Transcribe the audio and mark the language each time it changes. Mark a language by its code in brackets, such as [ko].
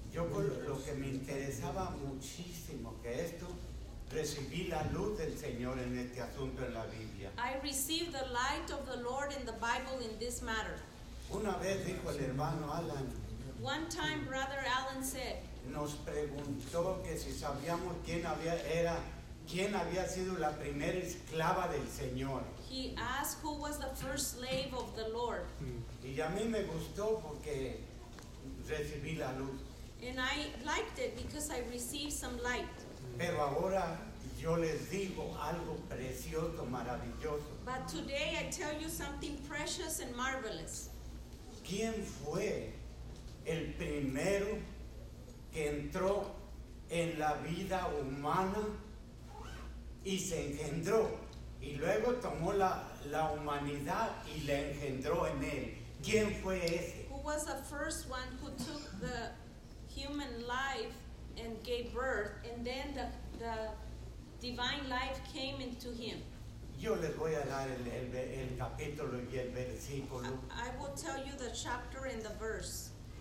[es] Yo lo que me interesaba muchísimo que esto, recibí la luz del Señor en este asunto en la Biblia. [en] I received the light of the Lord in the Bible in this matter. [es] Una vez dijo el hermano Alan. [en] One time brother Alan said. [es] Nos preguntó que si sabíamos quién había sido la primera esclava del Señor. [en] He asked who was the first slave of the Lord. [es] Y a mí me gustó porque recibí la luz. [en] And I liked it because I received some light. [es] Pero ahora yo les digo algo precioso, maravilloso. [en] But today I tell you something precious and marvelous. [es] ¿Quién fue el primero que entró en la vida humana y se engendró? Y luego tomó la humanidad y la engendró en él. ¿Quién fue ese? [en] Who was the first one who took the human life and gave birth, and then the divine life came into him. [es] Yo les voy a dar el capítulo y el versículo. [en] I will tell you the chapter and the verse.